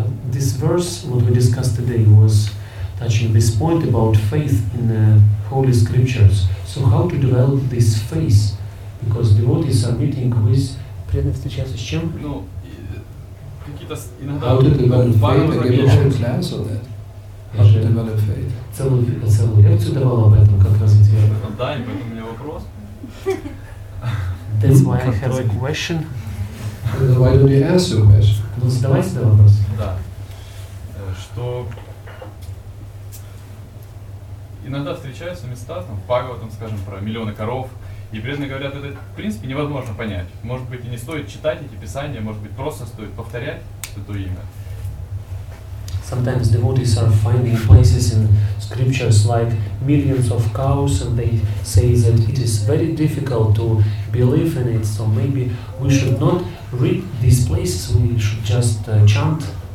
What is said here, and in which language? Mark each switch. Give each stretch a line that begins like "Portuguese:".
English: This verse, what we discussed today, was touching this point about faith in the Holy Scriptures. So how to develop this faith? Because devotees are meeting with...
Russian: Преданные встречаются с чем? Ну, какие-то иногда...
English: How to develop faith? Are you having class on that? How to develop faith?
Russian: Целую лекцию давала об этом, как раз тебе. Да, и поэтому у меня вопрос.
English: That's why I have a question. Why don't you ask your question?
Russian: Ну, задавай себе вопрос. Да. Что... Иногда встречаются места, там, в Бхагаватам, скажем, про миллионы коров, и преданные говорят, это, в принципе, невозможно понять. Может быть, и не стоит читать эти писания, может быть, просто стоит повторять это имя.
English: Sometimes devotees are finding places in scriptures like millions of cows, and they say that it is very difficult to believe in it, so maybe we should not read these places, we should just chant.